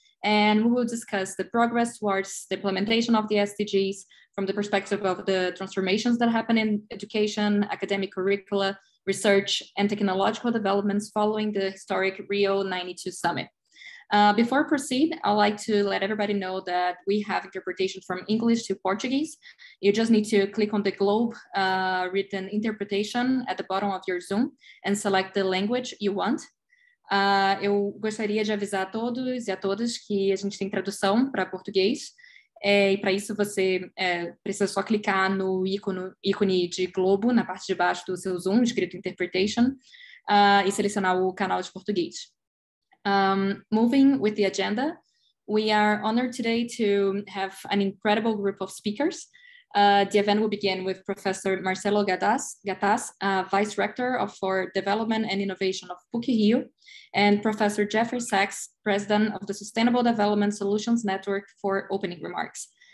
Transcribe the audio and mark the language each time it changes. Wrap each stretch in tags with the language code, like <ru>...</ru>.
<en>And we will discuss the progress towards the implementation of the SDGs from the perspective of the transformations that happen in education, academic curricula, research, and technological developments following the historic Rio 92 Summit. Before I proceed, I'd like to let everybody know that we have interpretation from English to Portuguese. You just need to click on the globe written interpretation at the bottom of your Zoom and select the language you want.</en> <pt>Eu gostaria de avisar a todos e a todas que a gente tem tradução para português. E para isso você precisa só clicar no ícone de globo na parte de baixo do seu Zoom, escrito interpretation, e selecionar o canal de português.</pt> <en>Moving with the agenda, we are honored today to have an incredible group of speakers. The event will begin with Professor Marcelo Gattaz, Vice Rector for Development and Innovation of PUC-Rio, and Professor Jeffrey Sachs, President of the Sustainable Development Solutions Network, for opening remarks.</en>